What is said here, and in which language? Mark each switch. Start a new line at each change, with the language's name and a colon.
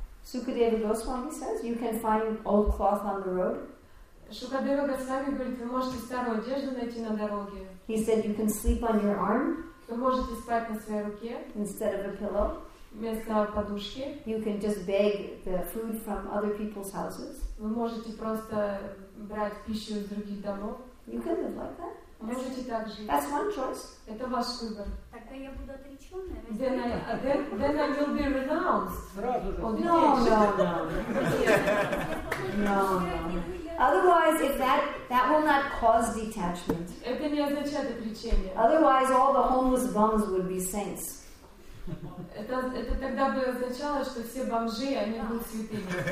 English: Sukadeva Goswami says, you can find old cloth on the road.
Russian: Шукадева Госвами говорит, вы можете старую одежду найти на дороге.
English: He said, you can sleep on your arm.
Russian: Вы можете спать на своей руке.
English: Instead of a pillow.
Russian: Вместо подушки.
English: You can just beg the food from other people's houses.
Russian: Вы можете просто брать пищу из других домов.
English: You can live like that.
Russian: Можете так жить.
English: That's one choice.
Russian: Это ваш выбор. Тогда я буду отречённая.
English: Then I will be renounced.
Russian: Сразу же.
English: No. No, no, no. Otherwise, if that will not cause detachment.
Russian: Это не означает отречение.
English: Otherwise, all the homeless bums would be saints.
Russian: Это тогда бы означало, что все бомжи, они будут святыми.